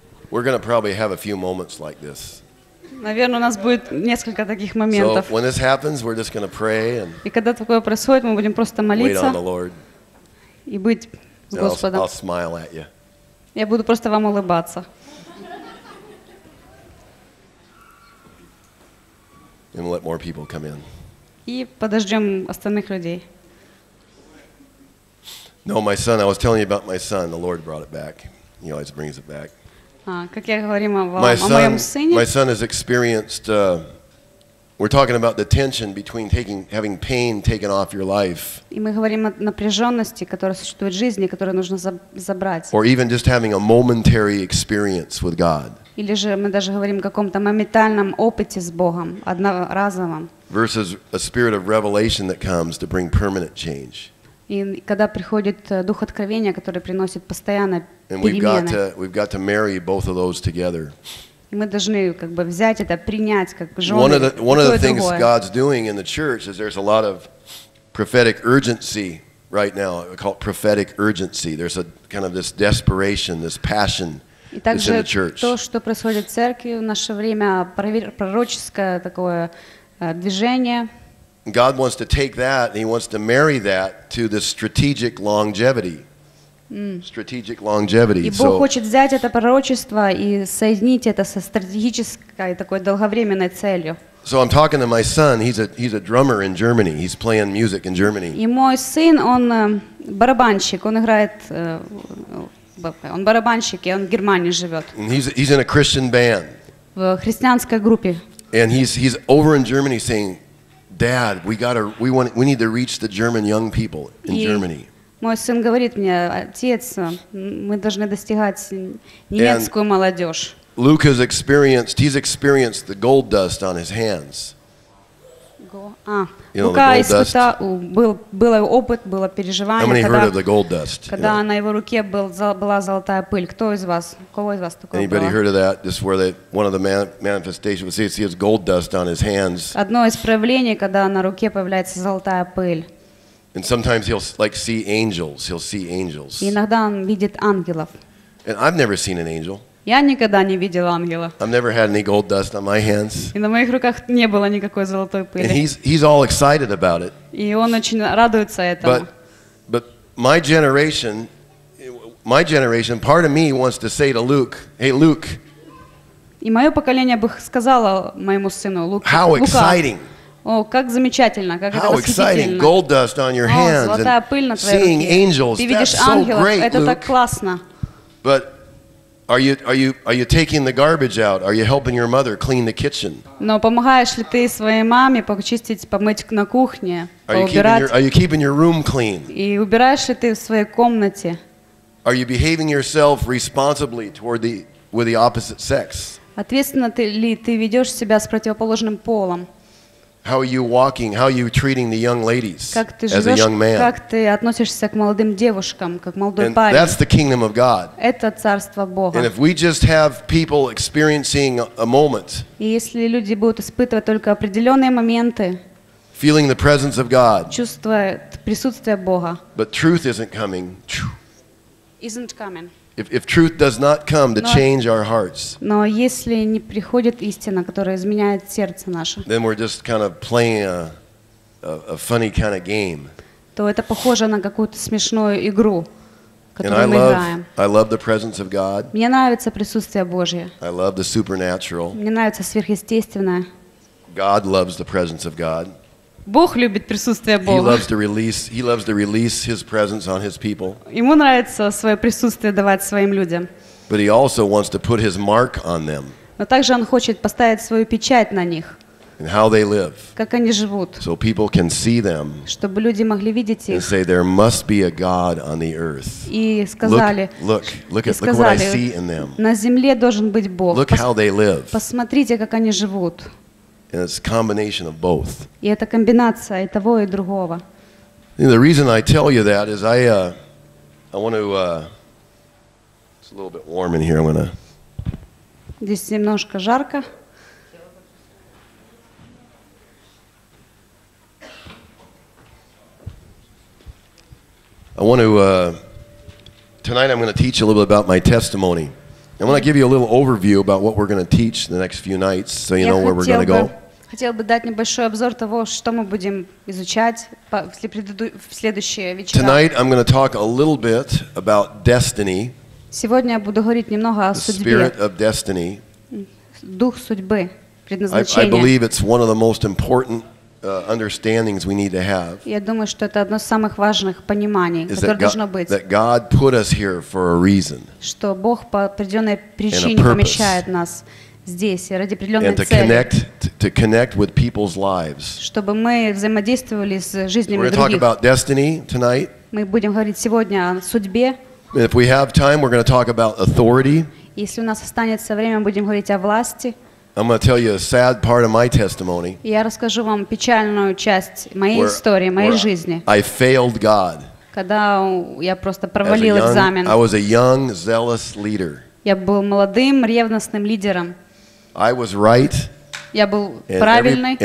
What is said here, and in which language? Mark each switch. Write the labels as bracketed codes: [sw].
[en] We're going to probably have a few moments like this. [ru] Наверное, у нас будет несколько таких моментов. [en] So when this happens, we're just going to pray and. [ru] И когда такое происходит, мы будем просто молиться. [en] Wait on the Lord. [ru] И быть с Господом. [en] I'll smile at you. [ru] Я буду просто вам улыбаться. [en] And let more people come in. [ru] И подождем остальных людей. [en] No, my son. I was telling you about my son. The Lord brought it back. He always brings it back. [ru] Как я говорю о моем сыне. [en] My son has experienced. We're talking about the tension between having pain taken off your life. [ru] И мы говорим о напряженности, которая существует в жизни, которую нужно забрать. [en] Or even just having a momentary experience with God. [ru] Или же мы даже говорим о каком-то моментальном опыте с Богом, одноразовом. [en] Versus a spirit of revelation that comes to bring permanent change. [ru] И когда приходит дух откровения, который приносит постоянно перемены. [en] We've got to marry both of those together. [ru] Мы должны как бы взять это, принять как жены. [en] One of the things God's doing in the church is there's a lot of prophetic urgency right now. We call it prophetic urgency. There's a kind of this desperation, this passion. [ru] И также то, что происходит в церкви в наше время, пророческое такое движение. [en] God wants to take that and he wants to marry that to the strategic longevity. Strategic longevity. [ru] И Бог хочет взять это пророчество и соединить это со стратегической такой долговременной целью. [en] So I'm talking to my son. He's a drummer in Germany. He's playing music in Germany. [ru] И мой сын, он барабанщик. Он играет он барабанщик, и он в Германии живет. [en] He's in a Christian band. [ru] В христианской группе. [en] And he's over in Germany saying, Dad, we need to reach the German young people in Germany. [ru] Мой сын говорит мне, отец, мы должны достигать немецкую молодежь. [en] Luke has experienced. He's experienced the gold dust on his hands. [ru] Лука испытал, был опыт, было переживание, когда на его руке была золотая пыль. Кто из вас, кого из вас такое было? [en] Anybody heard of that? Just where they, one of the manifestations, see, he has gold dust on his hands. [ru] Одно из проявлений, когда на руке появляется золотая пыль. [en] And sometimes he'll like see angels. He'll see angels. [ru] Иногда он видит ангелов. [en] And I've never seen an angel. [ru] Я никогда не видел ангела. [en] I've never had any gold dust on my hands. [ru] И на моих руках не было никакой золотой пыли. [en] And he's all excited about it. [ru] И он очень радуется этому. [en] But my generation, part of me wants to say to Luke, "Hey, Luke." [ru] И мое поколение бы сказало моему сыну Луке. [en] How exciting! [ru] О, как замечательно, как [en] How exciting! Gold dust on your hands. [ru] Золотая пыль на твоей руке. [en] Seeing angels. [ru] Ты видишь ангелов. Это так классно. [en] But Are you taking the garbage out? Are you helping your mother clean the kitchen? [ru] Но помогаешь ли ты своей маме почистить, помыть на кухне, поубирать? [en] Are you keeping your room clean? [ru] И убираешь ли ты в своей комнате? [en] Are you behaving yourself responsibly toward the with the opposite sex? [ru] Ответственно ли ты ведешь себя с противоположным полом? [en] How are you walking? How are you treating the young ladies as a young man? [ru] Как ты относишься к молодым девушкам, как молодой парень? [en] And that's the kingdom of God. [ru] Это царство Бога. [en] And if we just have people experiencing a moment, [ru] и если люди будут испытывать только определенные моменты, [en] feeling the presence of God, [ru] чувствуют присутствие Бога, [en] but truth isn't coming. Isn't coming. If truth does not come to change our hearts, [ru] но если не приходит истина, которая изменяет сердце наше, [en] then we're just kind of playing a funny kind of game. [ru] То это похоже на какую-то смешную игру, которую мы играем. [en] I love the presence of God. [ru] Мне нравится присутствие Божье. [en] I love the supernatural. [ru] Мне нравится сверхъестественное. [en] God loves the presence of God. [ru] Бог любит присутствие Бога. [en] He loves to release his presence on his people. [ru] Ему нравится свое присутствие давать своим людям. [en] But he also wants to put his mark on them. [ru] Но также он хочет поставить свою печать на них. [en] And how they live. [ru] Как они живут. [en] So people can see them. [ru] Чтобы люди могли видеть их. [en] And say there must be a God on the earth. [ru] И сказали. [en] Look what I see in them. [ru] На земле должен быть Бог. [en] Look how they live. [ru] Посмотрите, как они живут. [en] And it's a combination of both. [ru] И это комбинация и того, и другого. [en] And the reason I tell you that is I want to it's a little bit warm in here. [ru] Здесь немножко жарко. [en] I want to tonight I'm going to teach a little bit about my testimony. I want to give you a little overview about what we're going to teach the next few nights so you know where we're going to go. [ru] Хотел бы дать небольшой обзор того, что мы будем изучать в следующие вечера. [en] Tonight I'm going to talk a little bit about destiny. [ru] Сегодня я буду говорить немного о судьбе. [en] The spirit of destiny. [ru] Дух судьбы, предназначение. [en] I believe it's one of the most important understandings we need to have. [ru] Я думаю, что это одно из самых важных пониманий, которое должно быть. [en] That God put us here for a reason. [ru] Что Бог по определенной причине помещает нас. Здесь, [en] and [ru] ради [en] to connect with people's lives. [ru] Чтобы мы взаимодействовали с жизнями других. [en] We're going to talk about destiny tonight. [ru] Мы будем говорить сегодня о судьбе. [en] If we have time, we're going to talk about authority. [ru] Если у нас останется время, будем говорить о власти. [en] I'm going to tell you a sad part of my testimony. [ru] Я расскажу вам печальную часть моей истории, моей жизни. [en] I failed God. [ru] Когда я просто провалил экзамен. [en] I was a young, zealous leader. [ru] Я был молодым, ревностным лидером. [en] I was right. [ru] Я был правильный.